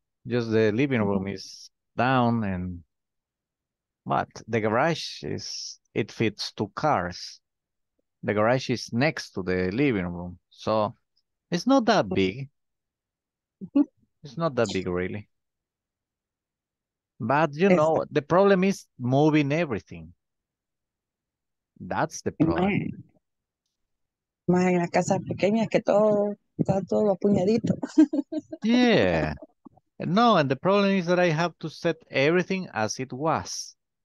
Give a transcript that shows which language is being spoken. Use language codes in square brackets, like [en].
[en] Just the living room is down, and but the garage is, it fits 2 cars. The garage is next to the living room, so it's not that big. It's not that big, really. But, you know, the problem is moving everything. That's the problem. [es] Más en las casas pequeñas que todo, está todo apuñadito. [en] Yeah. No, and the problem is that I have to set everything as it was.